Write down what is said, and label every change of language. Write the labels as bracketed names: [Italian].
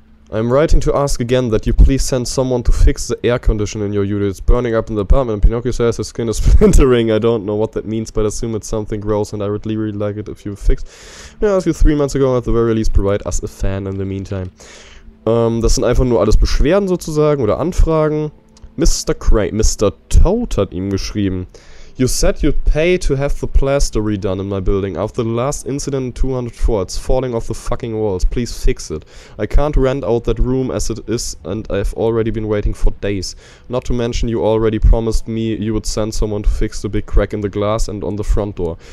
[English] I'm writing to ask again that you please send someone to fix the air condition in your unit. It's burning up in the apartment and Pinocchio says his skin is splintering. I don't know what that means, but I assume it's something gross and I would really like it if you fixed. I asked you 3 months ago, at the very least provide us a fan in the meantime. [German] Das sind einfach nur alles Beschwerden sozusagen oder Anfragen. Mr. Crane, Mr. Toad hat ihm geschrieben. [English] You said you'd pay to have the plaster redone in my building. After the last incident in 204, it's falling off the fucking walls. Please fix it. I can't rent out that room as it is and I've already been waiting for days. Not to mention you already promised me you would send someone to fix the big crack in the glass and on the front door.